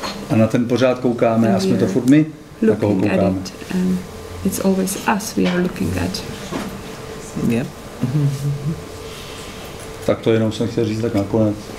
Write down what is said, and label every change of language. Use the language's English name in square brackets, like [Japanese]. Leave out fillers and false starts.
[Czech] A na ten pořád koukáme a jsme to furt my, na koho koukáme. [English] It, it's always us we are looking at. Yep. [Czech] Tak to jenom jsem chtěl říct tak nakonec.